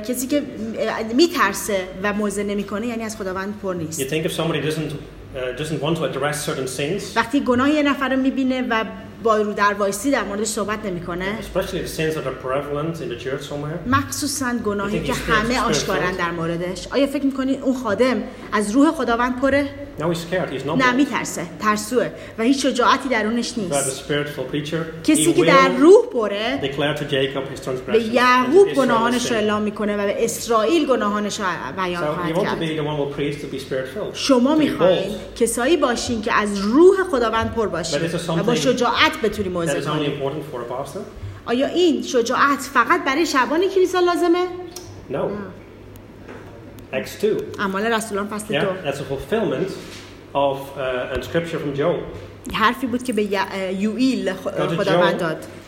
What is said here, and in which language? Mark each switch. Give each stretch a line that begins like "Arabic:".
Persian: کسی که میترسه و موعظه نمیکنه یعنی از خداوند پر نیست.
English: You think if somebody doesn't want to address certain sins.
Persian: وقتی گناه یه نفر رو می‌بینه و با رو در وایسی در موردش صحبت نمی‌کنه.
English: Especially the sins that are prevalent in the church somewhere.
Persian: مخصوصاً گناهی که همه آشکارن در موردش. آیا فکر می‌کنی اون خادم از روح خداوند پره؟
English: No, he's scared. He's not.
Persian: نه می‌ترسه. ترسوئه و هیچ شجاعتی درونش نیست.
English: But the spiritual preacher.
Persian: کسی که در روح پره.
English: Declare to Jacob his transgressions.
Persian: به یعقوب گناهانش رو اعلام می‌کنه و به اسرائیل گناهانش رو بیان خواهد کرد.
English: So you want to be the one who prays to be spiritual.
Persian: شما می‌خواید کسایی باشین که از روح خداوند پر باشین و با شجاعت بتونیم موعظه کنیم. آیا این شجاعت فقط برای شبان کلیسا لازمه؟
English: نه. Acts 2.
Persian: اعمال رسولان فصل
English: That's a fulfillment of a scripture from Joel.
Persian: حرفی بود که به یوئیل خداوند داد.